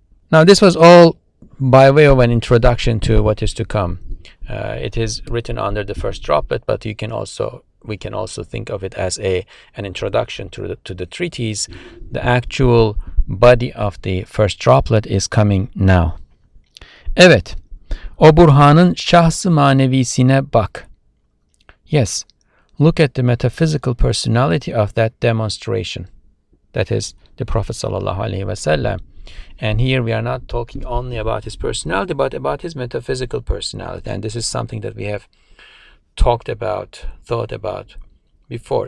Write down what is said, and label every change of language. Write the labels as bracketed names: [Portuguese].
[English] Now this was all by way of an introduction to what is to come. It is written under the first droplet, but we can also think of it as an introduction to the treatise. The actual body of the first droplet is coming now. [Turkish] Evet. O Burhan'ın şahsı manevisine bak. [English] Yes, look at the metaphysical personality of that demonstration. That is the Prophet [Arabic] sallallahu aleyhi ve sellem. [English] And here we are not talking only about his personality, but about his metaphysical personality. And this is something that we have talked about, thought about before.